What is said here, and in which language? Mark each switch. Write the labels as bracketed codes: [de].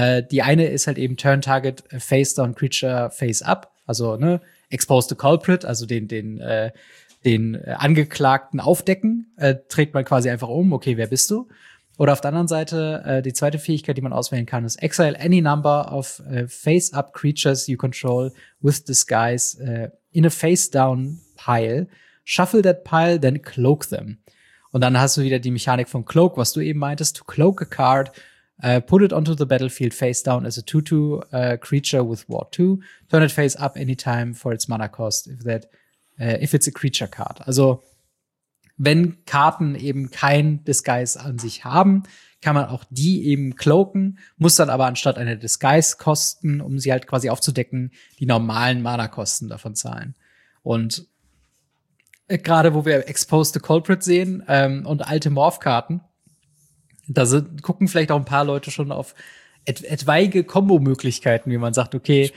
[de] die eine ist halt eben [en] Turn Target Face Down Creature Face Up, [de] also ne, Expose the Culprit, also den Angeklagten aufdecken, trägt man quasi einfach um, okay, wer bist du? Oder auf der anderen Seite, die zweite Fähigkeit, die man auswählen kann, ist [en] Exile any number of face-up creatures you control with disguise in a face-down pile. Shuffle that pile, then cloak them. [de] Und dann hast du wieder die Mechanik von Cloak, was du eben meintest. [en] To cloak a card, put it onto the battlefield face-down as a 2/2 creature with ward 2. Turn it face-up anytime for its mana cost if it's a creature card. [de] Also wenn Karten eben kein Disguise an sich haben, kann man auch die eben cloaken, muss dann aber anstatt eine Disguise kosten, um sie halt quasi aufzudecken, die normalen Mana-Kosten davon zahlen. Und gerade wo wir Exposed the Culprit sehen und alte Morph-Karten, da gucken vielleicht auch ein paar Leute schon auf etwaige Kombo-Möglichkeiten, wie man sagt, okay,